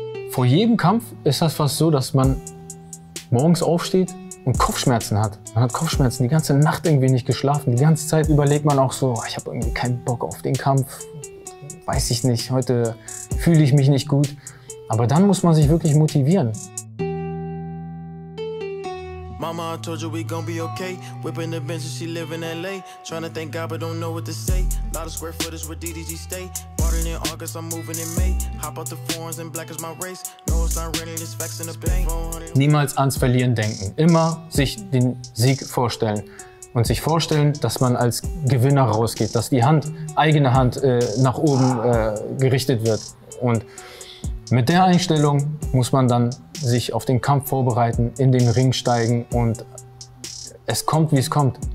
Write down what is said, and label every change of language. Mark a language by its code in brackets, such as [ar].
[de] Vor jedem Kampf ist das fast so, dass man morgens aufsteht und Kopfschmerzen hat. Man hat Kopfschmerzen, die ganze Nacht irgendwie nicht geschlafen. Die ganze Zeit überlegt man auch so, ich habe irgendwie keinen Bock auf den Kampf. Weiß ich nicht, heute fühle ich mich nicht gut. Aber dann muss man sich wirklich motivieren. [en] Mama, I told you we gon' be okay. Whippin' the Benz, she live in L.A. Tryna thank God, but don't know what to say. Lot of square footers where DDG stay. Martin in August, I'm moving in May. Hop out the forums and black is my race. No, it's not raining, it's facts in the pain. [de] Niemals ans Verlieren denken. Immer sich den Sieg vorstellen. Und sich vorstellen, dass man als Gewinner rausgeht. Dass die Hand, eigene Hand, nach oben gerichtet wird. Und mit der Einstellung muss man dann sich auf den Kampf vorbereiten, in den Ring steigen und es kommt, wie es kommt.